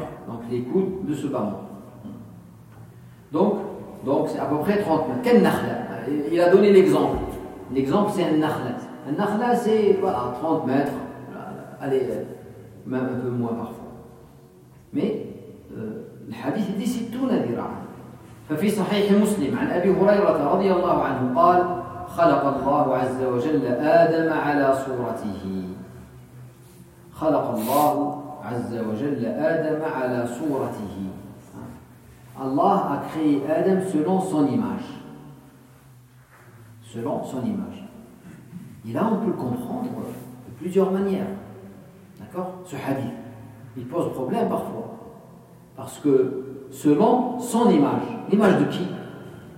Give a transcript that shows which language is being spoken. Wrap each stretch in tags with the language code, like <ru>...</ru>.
<fr>Donc les coudes de ce bâton. Donc c'est à peu près 30 mètres. Quel nakhla ? Il a donné l'exemple. L'exemple c'est un nakhla. Un nakhla c'est voilà, 30 mètres. Allez, même un peu moins parfois. Mais le hadith dit 60 ذراعا.</fr> <ar>ففي صحيح مسلم عن ابي هريره رضي الله عنه قال خلق الله عز وجل ادم على صورته. خلق الله عز وجل ادم على صورته.</ar> <fr>Allah a créé Adam selon son image. Selon son image. Et là on peut le comprendre de plusieurs manières. D'accord ? Ce hadith, il pose problème parfois. Parce que selon son image, l'image de qui ?</fr>